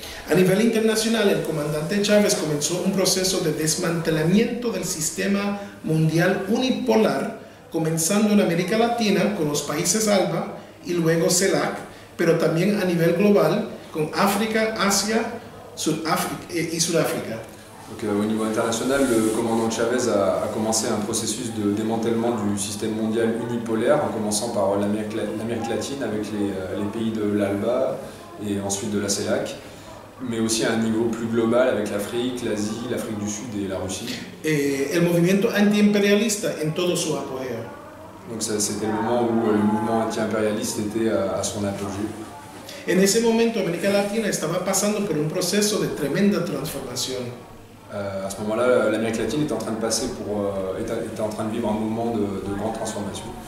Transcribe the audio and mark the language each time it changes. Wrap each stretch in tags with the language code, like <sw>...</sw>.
<es>A nivel internacional, el comandante Chávez comenzó un proceso de desmantelamiento del sistema mundial unipolar, comenzando en América Latina con los países ALBA y luego CELAC, pero también a nivel global con África, Asia y Sudáfrica.</es> <fr>Donc, au niveau international, le commandant Chávez a commencé un processus de démantèlement du système mondial unipolaire, en commençant par l'Amérique latine avec les pays de l'ALBA et ensuite de la CELAC, mais aussi à un niveau plus global avec l'Afrique, l'Asie, l'Afrique du Sud et la Russie.</fr> <es>El movimiento antiimperialista en todo su apogeo.</es> <fr>Donc c'était le moment où le mouvement anti-impérialiste était à son apogée.</fr> <es>En ese momento, América Latina estaba pasando por un proceso de tremenda transformación.</es> <fr>À ce moment-là, l'Amérique latine était en train de passer était en train de vivre un moment de grande transformation.</fr>